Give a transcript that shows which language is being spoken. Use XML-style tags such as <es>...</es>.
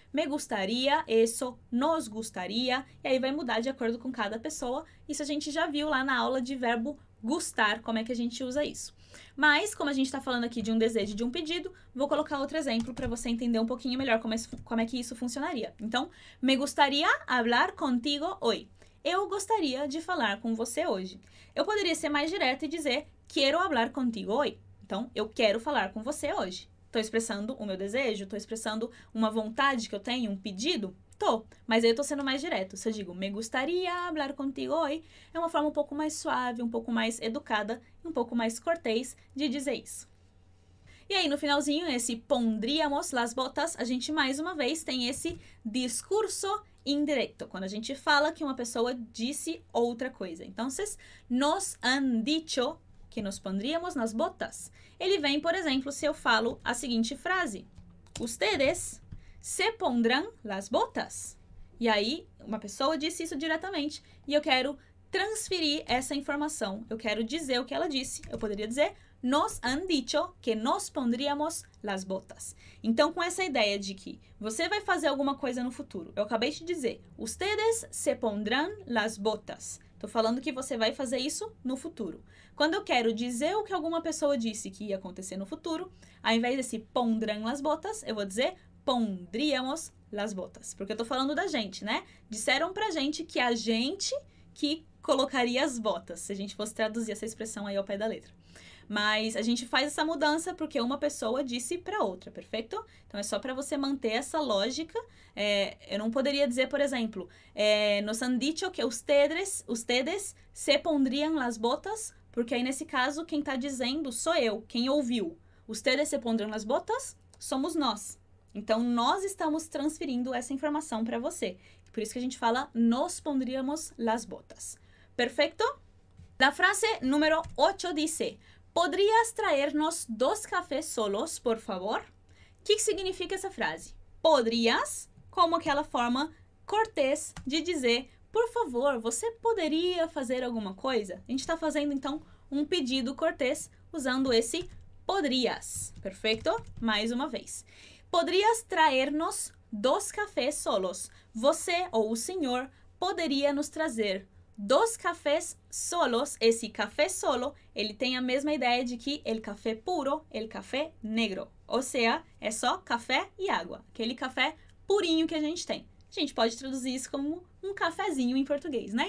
<es>Me gustaría eso, nos gustaría,</es> <pt>e aí vai mudar de acordo com cada pessoa. Isso a gente já viu lá na aula de verbo gustar, como é que a gente usa isso. Mas, como a gente está falando aqui de um desejo, de um pedido, vou colocar outro exemplo para você entender um pouquinho melhor como é que isso funcionaria.</pt> <es>Então, me gustaría hablar contigo hoy.</es> <pt>Eu gostaria de falar com você hoje. Eu poderia ser mais direto e dizer</pt> <es>quiero hablar contigo hoy.</es> <pt>Então, eu quero falar com você hoje. Estou expressando o meu desejo? Estou expressando uma vontade que eu tenho? Um pedido? Tô, mas aí eu estou sendo mais direto. Se eu digo,</pt> <es>me gustaría hablar contigo hoy,</es> <pt>é uma forma um pouco mais suave, um pouco mais educada, um pouco mais cortês de dizer isso. E aí, no finalzinho, esse</pt> <es>pondríamos las botas,</es> <pt>a gente mais uma vez tem esse discurso indireto, quando a gente fala que uma pessoa disse outra coisa.</pt> <es>Então, nos han dicho que nos pondríamos las botas.</es> <pt>Ele vem, por exemplo, se eu falo a seguinte frase.</pt> <es>Ustedes se pondrán las botas.</es> <pt>E aí, uma pessoa disse isso diretamente e eu quero transferir essa informação. Eu quero dizer o que ela disse. Eu poderia dizer,</pt> <es>nos han dicho que nos pondríamos las botas.</es> <pt>Então, com essa ideia de que você vai fazer alguma coisa no futuro. Eu acabei de dizer,</pt> <es>ustedes se pondrán las botas.</es> <pt>Tô falando que você vai fazer isso no futuro. Quando eu quero dizer o que alguma pessoa disse que ia acontecer no futuro, ao invés desse</pt> <es>pondrán las botas,</es> <pt>eu vou dizer</pt> <es>pondríamos las botas.</es> <pt>Porque eu tô falando da gente, né? Disseram pra gente que a gente que colocaria as botas, se a gente fosse traduzir essa expressão aí ao pé da letra. Mas a gente faz essa mudança porque uma pessoa disse para outra, perfeito? Então é só para você manter essa lógica. Eu não poderia dizer, por exemplo,</pt> <es>nos han dicho que ustedes se pondrían las botas,</es> <pt>porque aí nesse caso quem está dizendo sou eu, quem ouviu.</pt> <es>Ustedes se pondrán las botas,</es> <pt>somos nós. Então nós estamos transferindo essa informação para você. Por isso que a gente fala</pt> <es>nos pondríamos las botas.</es> <pt>Perfeito? Na frase número 8 diz:</pt> <es>¿Podrías traernos dos cafés solos, por favor?</es> <pt>O que significa essa frase? Podrías, como aquela forma cortês de dizer, por favor, você poderia fazer alguma coisa? A gente está fazendo, então, um pedido cortês usando esse podrías. Perfeito? Mais uma vez.</pt> <es>¿Podrías traernos dos cafés solos?</es> <pt>Você ou o senhor poderia nos trazer</pt> <es>dos cafés solos,</es> <pt>esse café solo, ele tem a mesma ideia de que</pt> <es>el café puro, el café negro.</es> <pt>Ou seja, é só café e água, aquele café purinho que a gente tem. A gente pode traduzir isso como um cafezinho em português, né?</pt>